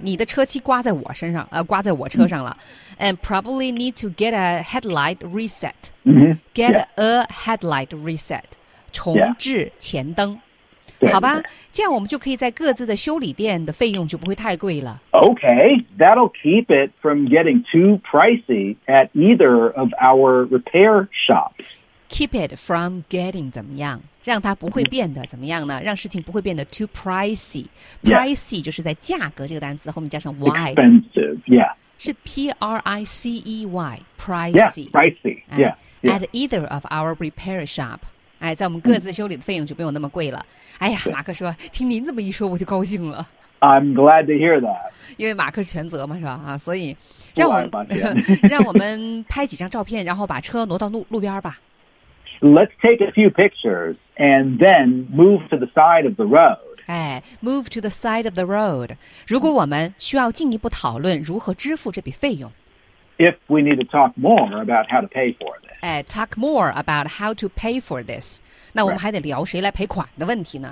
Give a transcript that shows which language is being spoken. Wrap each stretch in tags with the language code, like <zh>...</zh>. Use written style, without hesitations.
<zh>你的车漆刮在我身上，刮在我车上了。</zh> <en>And probably need to get a headlight reset.、 Mm-hmm. Get、 yeah. a headlight reset.</en> <zh>重置前灯、</zh> <en>yeah.</en> <zh>好吧，这样我们就可以在各自的修理店的费用就不会太贵了。</zh> <en>Okay, that'll keep it from getting too pricey at either of our repair shops. Keep it from getting</en> <zh>怎么样，让它不会变得怎么样呢，让事情不会变得</zh> <en>too pricey. Pricey、 yeah.</en> <zh>就是在价格这个单词后面加上 y.</zh> <en>Expensive, yeah. 是 P-R-I-C-E-Y, pricey. Yeah, pricey, yeah, yeah. At either of our repair shop.</en> <zh>哎，在我们各自修理的费用就没有那么贵了。哎呀，马克说，听您这么一说我就高兴了。</zh> <en>I'm glad to hear that.</en> <zh>因为马克全责嘛，是吧？啊，所以让我们拍几张照片，然后把车挪到路边吧。</zh> <en>Let's take a few pictures and then move to the side of the road. 哎 ，move to the side of the road.</en> <zh>如果我们需要进一步讨论如何支付这笔费用</zh> <en>，if we need to talk more about how to pay for this. 哎 ，talk more about how to pay for this.</en> <zh>那我们还得聊谁来赔款的问题呢？</zh>